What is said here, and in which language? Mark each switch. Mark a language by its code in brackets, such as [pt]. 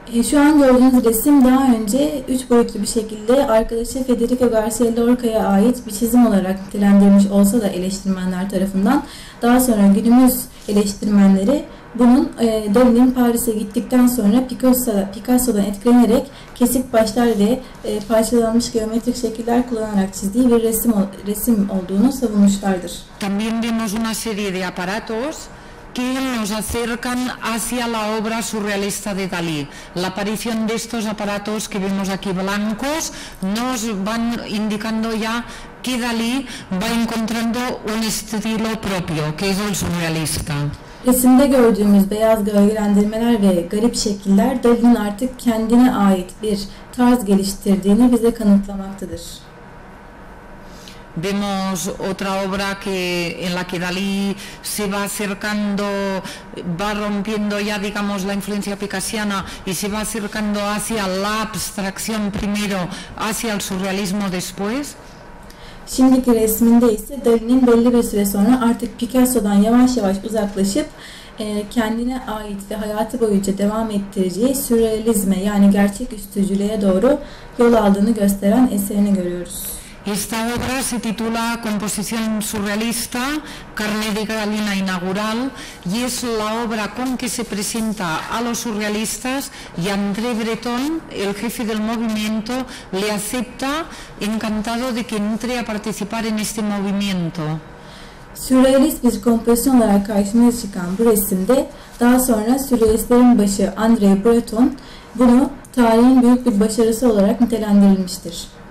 [tr] Şu an gördüğünüz resim daha önce üç boyutlu bir şekilde arkadaşı Federico García Lorca'ya ait bir çizim olarak nitelendirilmiş olsa da eleştirmenler tarafından daha sonra günümüz eleştirmenleri bunun Dalí'nin Paris'e gittikten sonra Picasso'dan etkilenerek kesik başlar ve parçalanmış geometrik şekiller kullanarak çizdiği bir resim olduğunu savunmuşlardır. [es] También vemos una serie de aparatos que nos acercan hacia la obra surrealista de Dalí. La aparición de estos aparatos que vemos aquí blancos nos van indicando ya que Dalí va encontrando un estilo propio, que es el surrealista. [tr] Resimde gördüğümüz beyaz gölgelendirmeler ve garip şekiller Dalí'nin artık kendine ait bir tarz geliştirdiğini bize kanıtlamaktadır. [es] Vemos otra obra que en la que Dalí se va acercando, va rompiendo ya digamos la influencia picasiana y se va acercando hacia la abstracción primero, hacia el surrealismo después. [tr] Şimdiki resminde ise Dalí'nin belli bir süre sonra artık Picasso'dan yavaş yavaş uzaklaşıp kendine ait ve hayatı boyunca devam ettireceği sürrealizme yani gerçeküstücülüğe doğru yol aldığını gösteren eserini görüyoruz. [es] Esta obra se titula Composición Surrealista, Carne de Gallina Inaugural y es la obra con que se presenta a los surrealistas y André Breton, el jefe del movimiento, le acepta encantado de que entre a participar en este movimiento. [tr] Surrealist bir kompozisyon olarak karşımıza çıkan bu resimde daha sonra sürrealistlerin başı André Breton bunu tarihin büyük bir başarısı olarak nitelendirilmiştir.